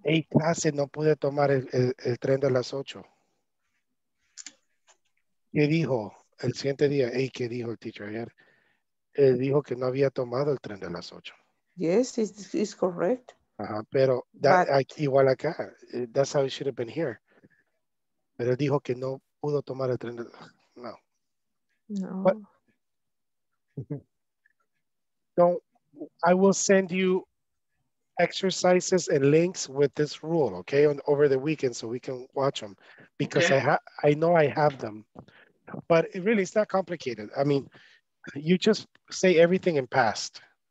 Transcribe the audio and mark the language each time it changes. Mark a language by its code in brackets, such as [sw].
[es] Eight clases no pude tomar el tren de las ocho. ¿Qué dijo el siguiente día? Hey, ¿qué dijo el teacher ayer? Él dijo que no había tomado el tren de las ocho. [en] Yes, it's correct. [es] Ajá, pero igual acá, [en] that's how it should have been here. [es] Pero dijo que no pudo tomar el tren. No. [en] But, don't, I will send you exercises and links with this rule, okay, over the weekend so we can watch them. Because okay. I know I have them. But it really, it's not complicated. I mean, you just say everything in past.